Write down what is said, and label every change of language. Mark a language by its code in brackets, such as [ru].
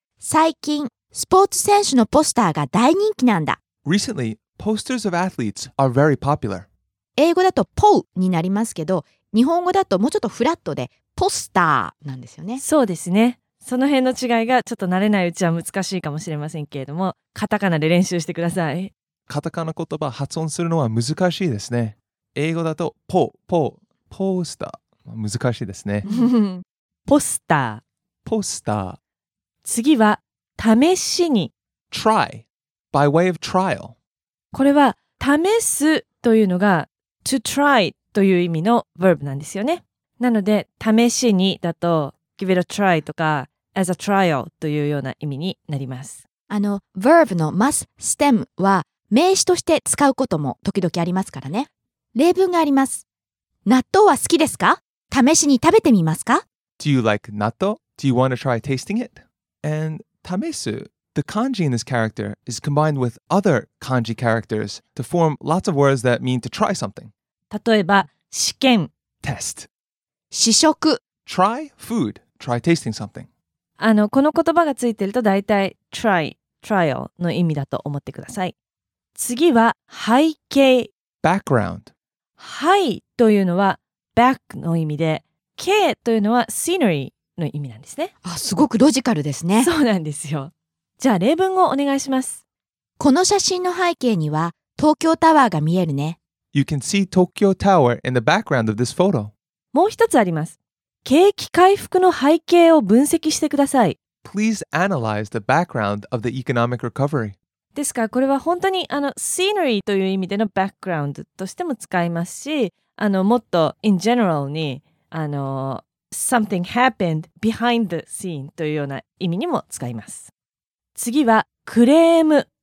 [ja] 最近、スポーツ選手のポスターが大人気なんだ。 [en] Recently, posters of athletes are very popular. [ja] 英語だとポウになりますけど、日本語だともうちょっとフラットでポスターなんですよね。そうですね。その辺の違いがちょっと慣れないうちは難しいかもしれませんけれども、カタカナで練習してください。カタカナ言葉発音するのは難しいですね。英語だとポウ、ポウ、ポースター。難しいですね。ポスター。ポスター。次は試しに [en] try by way of trial。 [ja] これは試すというのが to try という意味の verb なんですよね。なので試しにだと [en] give it a try [ja] とか [en] as a trial [ja] というような意味になります。 verb の must stem は名詞として使うことも時々ありますからね。例文があります。納豆は好きですか？試しに食べてみますか？ [en] Do you like 納豆? Do you want to try tasting it? And 試す, the kanji in this character is combined with other kanji characters to form lots of words that mean to try something. [ja] 例えば、試験, [en] test. [ja] 試食, [en] try food, try tasting something. [ja] この言葉がついてると大体 try, trial の意味だと思ってください。次は背景, [en] background. [ja] 背というのは back の意味で、景というのは scenery. の意味なんですね。あ、すごくロジカルですね。そうなんですよ。じゃあ例文をお願いします。この写真の背景には東京タワーが見えるね。 [en] You can see Tokyo Tower in the background of this photo. [ja] もう一つあります。景気回復の背景を分析してください。 [en] Please analyze the background of the economic recovery. [ja] ですからこれは本当にscenery という意味での background としても使いますし、もっと in general に [en] something happened behind the scene [ja] というような意味にも使います。次はクレーム、